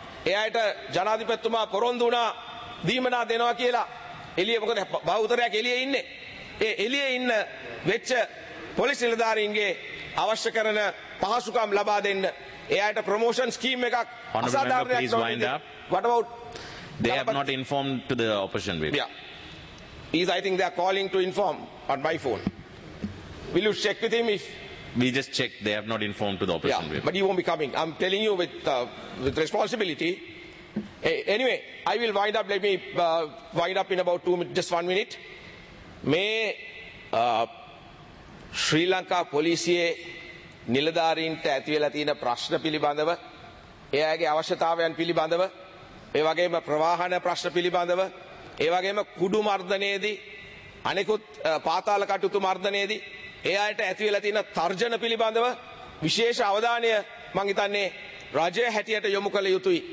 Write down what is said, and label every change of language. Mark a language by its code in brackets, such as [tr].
[si] ඒ අයට ජනාධිපතිතුමා පොරොන්දු වුණා දීමනා දෙනවා කියලා. එළියේ මොකද බහුතරයක් එළියේ ඉන්නේ. ඒ එළියේ ඉන්න වෙච්ච පොලිස් නිලධාරීන්ගේ අවශ්‍ය කරන පහසුකම් ලබා දෙන්න. ඒ අයට ප්‍රොමෝෂන් ස්කීම් එකක් අසාධාරණයක් වගේ. [en] What about They have not informed to the opposition people. Yeah. I think they are calling to inform on my phone. Will you check with him if... We just checked. They have not informed to the opposition people. Yeah, but he won't be coming. I'm telling you with responsibility. Hey, anyway, I will wind up. Let me wind up in about just 1 minute. [si] May Sri Lanka police niladarin te athivelatina prashna pilibandava eyage avashyathawayan pilibandava ඒ වගේම ප්‍රවාහන ප්‍රශ්න පිළිබඳව ඒ වගේම කුඩු මර්ධනයේදී අනෙකුත් පාතාල කටයුතු මර්ධනයේදී ඒ අයට ඇති වෙලා තියෙන තර්ජන පිළිබඳව විශේෂ අවධානය මම හිතන්නේ රජය හැටියට යොමු කළ යුතුයි.